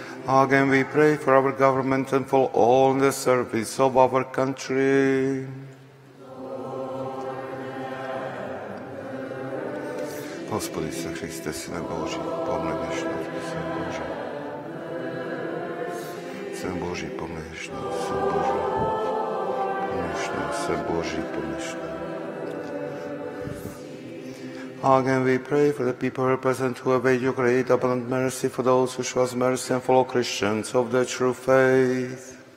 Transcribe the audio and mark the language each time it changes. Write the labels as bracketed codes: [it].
[en] Again, we pray for our government and for all in the service of our country. [ru] Господи Иисусе Христе, Сина Божий, помни наш народ, Сын Божий. Сын Божий, помни наш народ, Сын Божий. Помни наш народ, Сын Божий, помни наш народ. [en] Again, we pray for the people present who await your great abundant mercy, for those who show us mercy and follow Christians of the true faith.